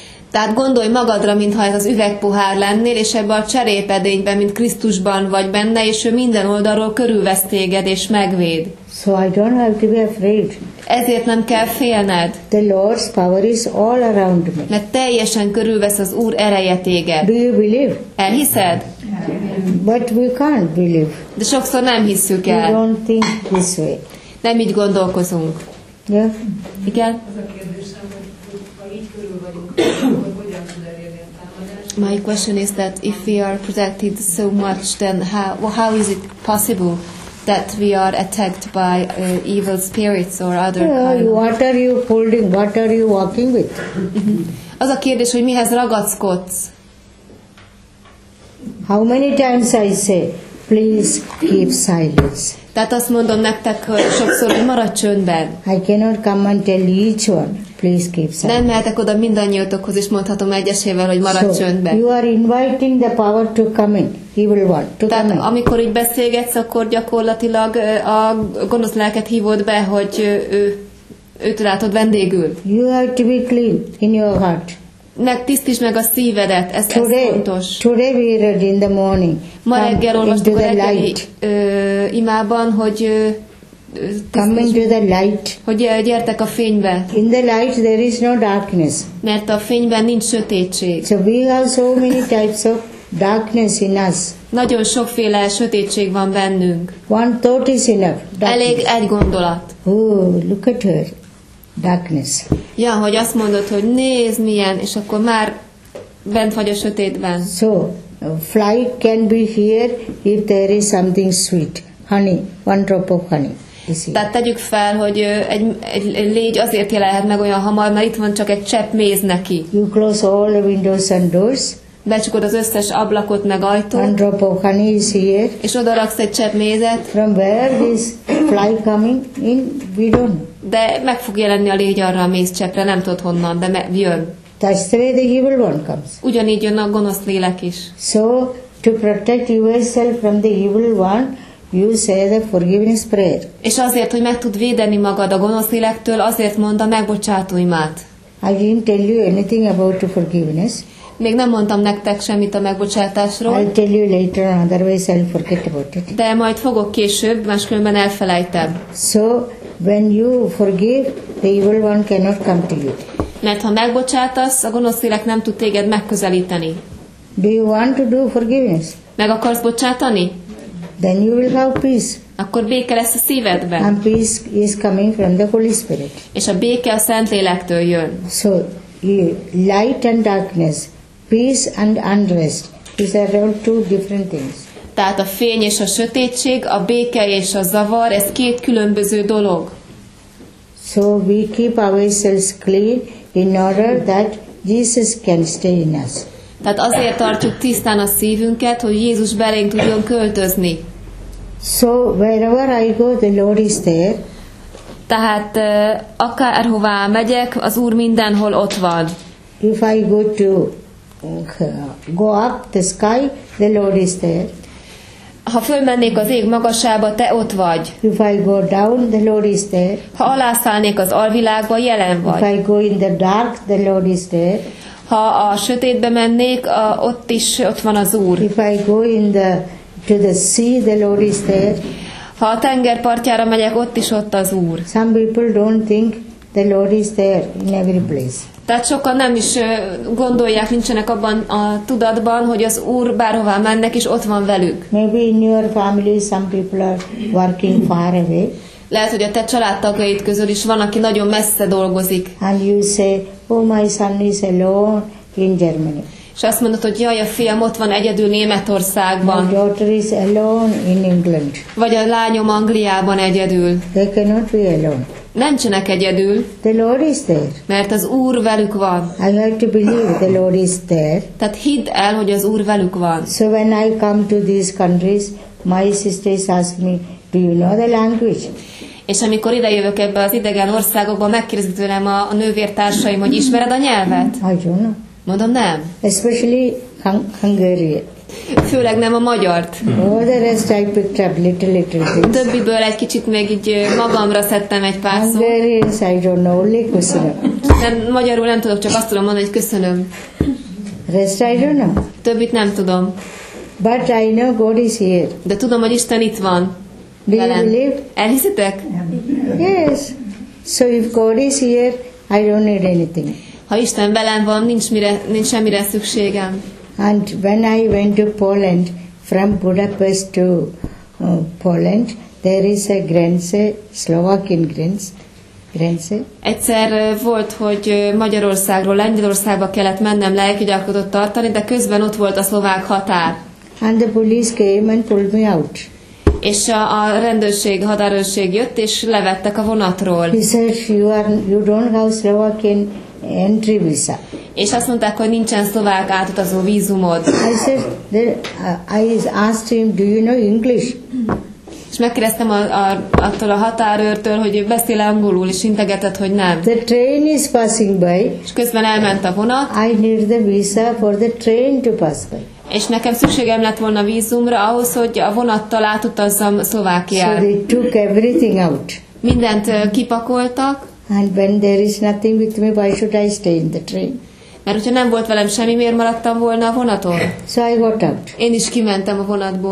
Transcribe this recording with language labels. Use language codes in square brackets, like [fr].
[hu] Tehát gondolj magadra, mintha ez az üvegpohár lennél, és ebbe a cserépedényben, mint Krisztusban vagy benne, és ő minden oldalról körülvesz téged, és megvéd. [en] So I don't have to be afraid. [hu] Ezért nem kell félned. [en] The Lord's power is all around me. [hu] Mert teljesen körülvesz az Úr ereje téged. [en] Do you believe? [hu] Elhiszed? [en] But we can't believe. [hu] De sokszor nem hiszük el. [en] We don't think this way. [hu] Nem így gondolkozunk. [en] Yeah. [hu] Igen? [en] My question is that if we are protected so much, then how is it possible that we are attacked by evil spirits or other kind? What are you holding? What are you walking with? [hu] Az a kérdés, hogy mihez ragaszkodsz? [en] How many times I say, please keep silence. [hu] Tehát azt mondom nektek sokszor, hogy maradj csöndben. [en] I cannot come and tell each one, please keep silence. [hu] Nem mehetek oda mindannyiótokhoz, és mondhatom egyesével, hogy maradj csöndben. [en] You are inviting the power to come in, evil one, to [hu] Tehát [en] come in. [hu] Amikor így beszélgetsz, akkor gyakorlatilag a gonosz lelket hívod be, hogy őt látod vendégül. [en] You have to be clean in your heart. [hu] Meg tisztítsd meg a szívedet, ez fontos. [en] Today we read in the morning. [hu] Ma reggel olvastuk a reggeli imában, hogy [en] come into the light. [hu] Hogy gyertek a fénybe. [en] In the light there is no darkness. [hu] Mert a fényben nincs sötétség. [en] So we have so many types of darkness in us. [hu] Nagyon sokféle sötétség van bennünk. [en] One thought is enough. Darkness. [hu] Elég egy gondolat. [en] Oh, look at her. Darkness. [hu] Ja, hogy azt mondod, hogy nézd milyen, és akkor már bent vagy a sötétben. [en] So, fly can be here if there is something sweet. Honey, one drop of honey. [hu] Tehát tegyük fel, hogy egy légy azért jelenhet meg olyan hamar, mert itt van csak egy csepp méz neki. [en] You close all the windows and doors. [hu] Becsukod az összes ablakot meg ajtót. [en] One drop of honey is here. [hu] És oda raksz egy csepp mézet. [en] From where is fly coming in? We don't. [hu] De meg fog jelenni a légy arra a mézcseppre, nem tudod honnan, de jön. [en] That's the way the evil one comes. [hu] Ugyanígy jön a gonosz lélek is. [en] So, to protect yourself from the evil one, You say the forgiveness prayer. [hu] És azért, hogy meg tud védeni magad a gonosz lélektől, azért mond a megbocsátó imát. [en] I didn't tell you anything about the forgiveness. [hu] Még nem mondtam nektek semmit a megbocsátásról. [en] I'll tell you later, otherwise I'll forget about it. [hu] De majd fogok később, máskülönben elfelejtem. [en] So, when you forgive, the evil one cannot come to you. [hu] Mert ha megbocsátasz, a gonosz lélek nem tud téged megközelíteni. [en] Do you want to do forgiveness? [hu] Meg akarsz bocsátani? [en] Then you will have peace. [hu] Akkor béke lesz a szívedben. [en] And peace is coming from the Holy Spirit. [hu] És a béke a Szentlélektől jön. [en] So, light and darkness, peace and unrest, these are all two different things. [hu] Tehát a fény és a sötétség, a béke és a zavar, ez két különböző dolog. [en] So we keep ourselves clean in order that Jesus can stay in us. [hu] Tehát azért tartjuk tisztán a szívünket, hogy Jézus belénk tudjon költözni. [en] So wherever I go, the Lord is there. [hu] Tehát akárhová megyek, az Úr mindenhol ott van. [en] If I go to go up the sky, the Lord is there. [hu] Ha fölmennék az ég magasába, te ott vagy. [en] If I go down, the Lord is there. [hu] Ha alászállnék az alvilágba, jelen vagy. [en] If I go in the dark, the Lord is there. [hu] Ha a sötétbe mennék, ott is ott van az Úr. [en] If I go in the to the sea, the Lord is there. [hu] Ha a tenger partjára megyek, ott is ott az Úr. [en] Some people don't think the Lord is there in every place. [hu] Tehát sokan nem is gondolják, nincsenek abban a tudatban, hogy az Úr bárhová mennek, és ott van velük. [en] Maybe in your family some people are working far away. [hu] Lehet, hogy a te családtagjaid közül is van, aki nagyon messze dolgozik. [en] And you say, oh, my son is alone in Germany. [hu] És azt mondod, hogy jaj, a fiam ott van egyedül Németországban. [en] My daughter is alone in England. [hu] Vagy a lányom Angliában egyedül. [en] They cannot be alone. [hu] Nincsenek egyedül. [en] The Lord is there. [hu] Mert az Úr velük van. [en] I have to believe the Lord is there. [hu] Tehát hidd el, hogy az Úr velük van. [en] So when I come to these countries, my sisters ask me, do you know the language? [hu] És amikor idejövök ebbe az idegen országokba, megkérdezik tőlem a nővértársaim, hogy ismered a nyelvet? [en] I don't know. [hu] Mondom, nem. [en] Especially Hungary. [hu] Főleg nem a magyart. [en] All the rest I picked up little things. [hu] Többiből egy kicsit még így magamra szedtem egy pár szót. [en] Hungarians, I don't know, only köszönöm. [hu] Nem, magyarul nem tudok, csak azt tudom mondani, hogy köszönöm. [en] Rest I don't know. [hu] Többit nem tudom. [en] But I know God is here. [hu] De tudom, hogy Isten itt van. [en] Do you believe? [hu] Elhiszitek? [en] Yes. So if God is here, I don't need anything. [hu] Ha Isten velem van, nincs semmire szükségem. [en] And when I went to Poland, from Budapest to Poland, there is a grenze, Slovakian grenze. [hu] Egyszer volt, hogy Magyarországról Lengyelországba kellett mennem lelkigyakorlatot tartani, de közben ott volt a szlovák határ. [en] And the police came and pulled me out. [hu] És a rendőrség, hadárőrség jött, és levettek a vonatról. [en] He says, you don't have Slovakian entry visa. [hu] És azt mondták, hogy nincsen szlovák átutazó vízumod. [en] I said, I asked him, do you know English? [hu] És megkérdeztem attól a határőrtől, hogy beszél angolul, és integetett, hogy nem. [en] The train is passing by. [hu] És közben elment a vonat. [en] I need the visa for the train to pass by. [hu] És nekem szükségem lett volna vízumra ahhoz, hogy a vonattal átutazzam Szlovákiát. [en] So they took everything out. [hu] Mindent kipakoltak. [en] And when there is nothing with me, why should I stay in the train? [hu] Mert hogyha nem volt velem semmi, miért maradtam volna a vonaton? [en] So I got out. [hu] Én is kimentem a vonatból.